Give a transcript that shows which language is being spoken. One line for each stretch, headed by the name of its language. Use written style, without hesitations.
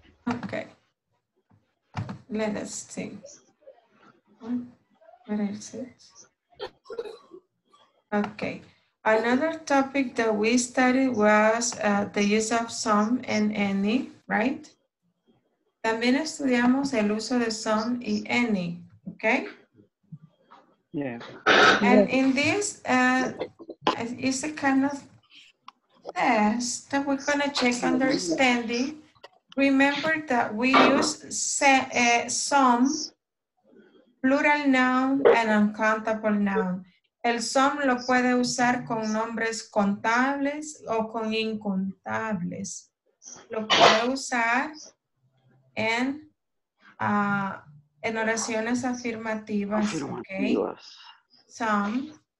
English: Okay. Let us see. What else is it? Okay. Another topic that we studied was the use of some and any, right?
Spanish: También estudiamos el uso de some y any, okay?
English: Yeah. And in this, it's a kind of test that we're gonna check understanding. Remember that we use some, plural noun, and uncountable noun.
Spanish: El some lo puede usar con nombres contables o con incontables. Lo puede usar en oraciones afirmativas, okay? Some.